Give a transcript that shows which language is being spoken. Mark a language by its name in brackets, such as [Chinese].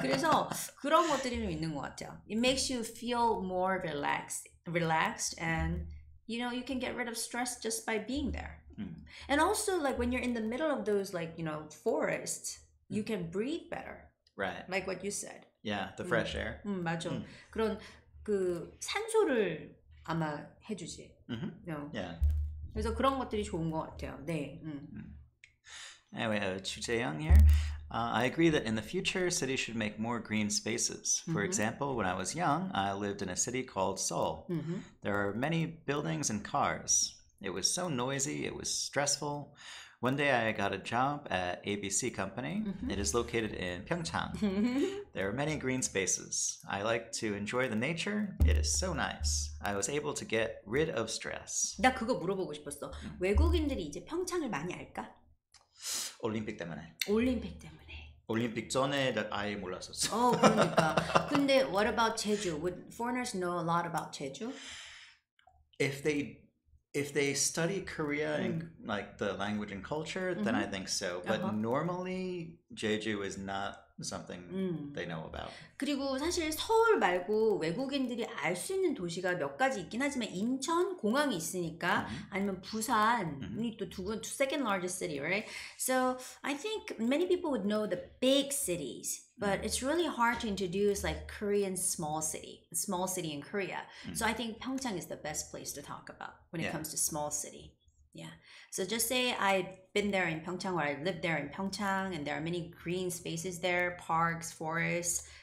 [Korean] 그래서 그런 것들이 좀 있는 것 같아요. [English] It makes you feel more relaxed, and you know, you can get rid of stress just by being there. Mm. And also, like, when you're in the middle of those, like, you know, forests, mm. you can breathe better. Right. Like what you said. Yeah, the fresh air. [Korean] 맞아. Mm. 그런 그 산소를 아마 해주지. [English] Mm-hmm. No. Yeah. [Korean] 그래서 그런 것들이 좋은 것 같아요. 네. [English] Anyway, Chuteyang here. I agree that in the future, cities should make more green spaces. For mm-hmm. example, when I was young, I lived in a city called Seoul. Mm-hmm. There are many buildings and cars. It was so noisy. It was stressful. One day I got a job at ABC company. Mm-hmm. It is located in Pyeongchang. There are many green spaces. I like to enjoy the nature. It is so nice. I was able to get rid of stress. [Korean] 나 그거 물어보고 싶었어. 외국인들이 이제 평창을 많이 알까? 올림픽 때문에. 올림픽 때문에. 올림픽 전에 아예 몰랐었어. 어, 그러니까. 근데 [English] what about Jeju? Would foreigners know a lot about Jeju? If they study Korea and like the language and culture, then mm-hmm. I think so. But uh-huh. normally Jeju is not something they know about. [Korean] 그리고 사실 서울 말고 외국인들이 알 수 있는 도시가 몇 가지 있긴 하지만 인천 공항이 있으니까 mm-hmm. 아니면 부산이 mm-hmm. 또 두 [English] second largest city, right? So I think many people would know the big cities. But it's really hard to introduce like Korean small city in Korea. Mm. So I think Pyeongchang is the best place to talk about when it comes to small city. Yeah. So just say I've been there in Pyeongchang or I lived there in Pyeongchang and there are many green spaces there, parks, forests.